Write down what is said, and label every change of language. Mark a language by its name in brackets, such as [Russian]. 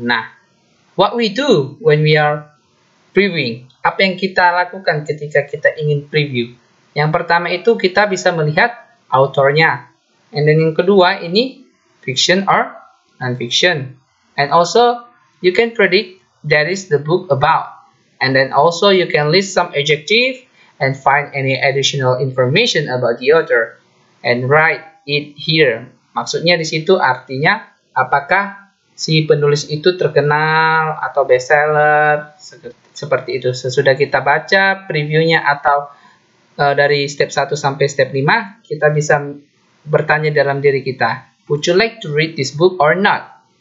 [English] Nah, what we do when we are previewing? [Indonesian] Apa yang kita lakukan ketika kita ingin preview? Yang pertama itu kita bisa melihat autornya. [English] And then [Indonesian] yang kedua ini [English] fiction or non-fiction. And also you can predict that is the book about. And then also you can list some adjective and find any additional information about the author and write it here. [Indonesian] Maksudnya di situ artinya apakah si penulis itu terkenal atau bestseller seperti itu. Sesudah kita baca previewnya atau dari step 1 sampai step 5, kita bisa bertanya dalam diri kita, [English] would you like to read this book or not?